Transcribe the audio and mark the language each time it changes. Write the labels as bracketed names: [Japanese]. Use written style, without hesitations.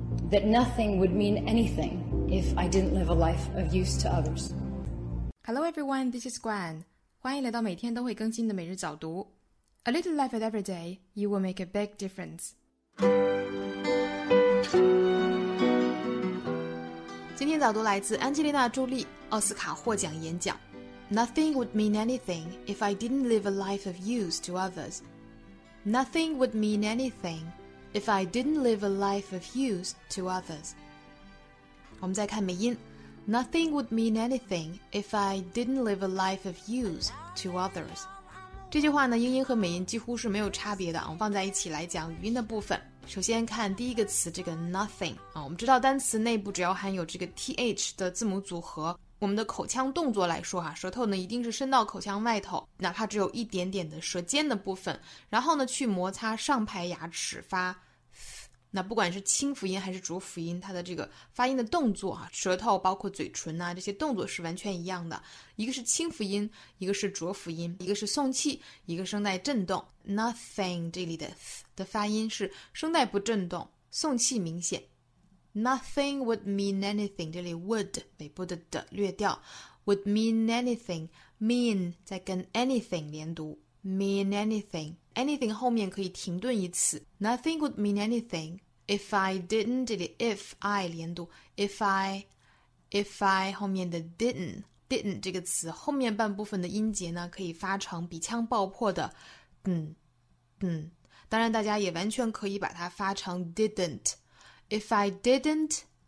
[English] that nothing would mean anything if I didn't live a life of use to others. Hello everyone, this is Gwen. [Chinese] 欢迎来到每天都会更新的每日早读。 [English] A little life at every day, you will make a big difference. [Chinese] 今天早读来自安吉丽娜·朱莉，奥斯卡获奖演讲。 [English] Nothing would mean anything if I didn't live a life of use to others. Nothing would mean anything if I didn't live a life of use to others. [Chinese] 我们再看美音。 [English] Nothing would mean anything if I didn't live a life of use to others. [Chinese] 这句话呢，英音和美音几乎是没有差别的，我们放在一起来讲语音的部分。首先看第一个词，这个 nothing、啊、我们知道单词内部只要含有这个 th 的字母组合，我们的口腔动作来说、啊、舌头呢一定是伸到口腔外头，哪怕只有一点点的舌尖的部分，然后呢去摩擦上排牙齿发那不管是清辅音还是主辅音，它的这个发音的动作、啊、舌头包括嘴唇啊，这些动作是完全一样的，一个是清辅音，一个是主辅音，一个是送气，一个声带震动。 Nothing 这里的 th 的发音是声带不震动，送气明显。 [English] Nothing would mean anything [Chinese] 这里 would 尾部的 d 略掉， [English] would mean anything mean [Chinese] 再跟 anything 连读 [English] mean anything, anything [Chinese] 后面可以停顿一次。 [English] Nothing would mean anything if I didn't, [Chinese] 这里 [English] if I [Chinese] 连读 if I 后面的 didn't 这个词后面半部分的音节呢可以发成鼻腔爆破的 嗯，当然大家也完全可以把它发成 [English] didn't, if I didn't